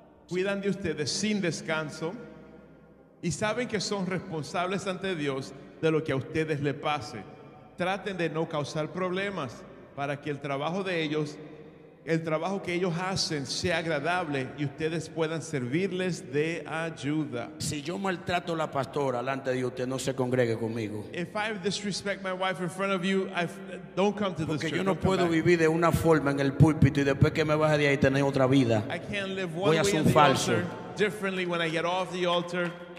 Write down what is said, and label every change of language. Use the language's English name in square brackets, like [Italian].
[Spanish] Cuidan de ustedes sin descanso y saben que son responsables ante Dios de lo que a ustedes le pase. Traten de no causar problemas para que el trabajo de ellos, el trabajo que ellos hacen, sea agradable y ustedes puedan servirles de ayuda. Si yo maltrato a la pastora delante de usted, no se congregue conmigo. [English] If I disrespect my wife in front of you, I don't come to this church. [Spanish] Porque yo no puedo vivir de una forma en el púlpito y después que me baje de ahí tener otra vida. [English] I can't live one way at the altar differently when I get off the altar.